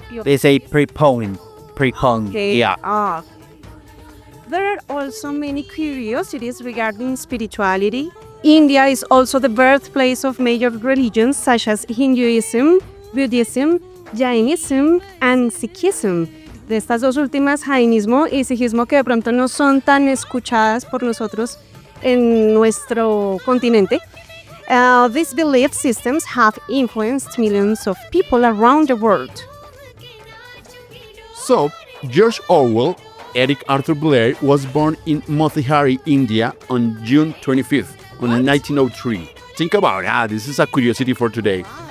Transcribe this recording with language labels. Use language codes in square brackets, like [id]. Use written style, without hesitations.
[en] they say prepone. Okay. Yeah. There are also many curiosities regarding spirituality. India is also the birthplace of major religions such as Hinduism, Buddhism, Jainism, and Sikhism. [es] De estas dos últimas, Jainismo y Sikhismo, que de pronto no son tan escuchadas por nosotros en nuestro continente. [en] These belief systems have influenced millions of people around the world. So, George Orwell, Eric Arthur Blair, was born in Motihari, India, on June 25th. On 1903. Think about it. This is a curiosity for today.